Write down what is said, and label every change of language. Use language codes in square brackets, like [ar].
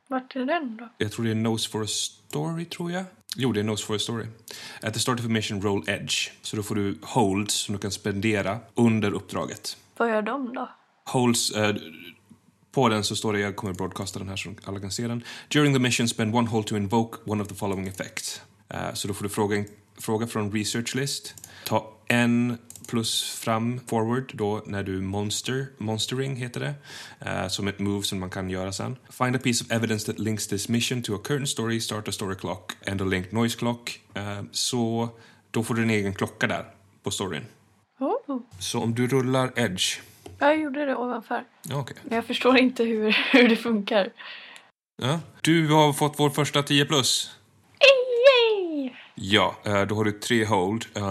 [sv] Vart är den då? Jag tror det är Nose for a Story, tror jag. Jo, det är Nose for a Story. [en] At the start of a mission, roll edge. [sv] Så då får du holds som du kan spendera under uppdraget. Vad gör de då? Holds... På den så står det, jag kommer att broadcasta den här så alla kan se den. [en] During the mission, spend one hold to invoke one of the following effects. [sv] Så då får du fråga från research list. Ta en plus fram, forward, då när du monstering heter det. Som ett move som man kan göra sen. [en] Find a piece of evidence that links this mission to a current story. Start a story clock and a linked noise clock. [sv] Så då får du en egen klocka där på storyn. Oh. Så om du rullar edge... Jag gjorde det ovanför. Okay. Men jag förstår inte hur det funkar. Ja. Du har fått vår första 10 plus. Yay! Ja, då har du 3 hold.